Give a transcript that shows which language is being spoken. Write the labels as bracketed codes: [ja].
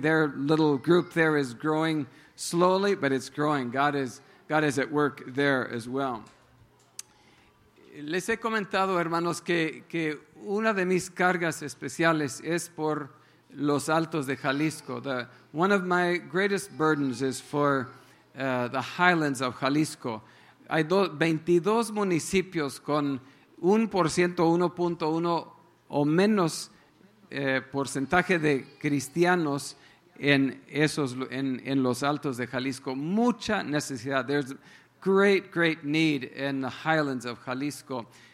[en] Their little group there is growing slowly, but it's growing. God is at work there as well. [es] Les he comentado, hermanos, que una de mis cargas especiales es por Los Altos de Jalisco. [en] One of my greatest burdens is for the Highlands of Jalisco. [es] Hay 22 municipios con 1%, 1.1 o menos porcentaje de cristianos en Los Altos de Jalisco. Mucha necesidad. [en] There's great, great need in the Highlands of Jalisco.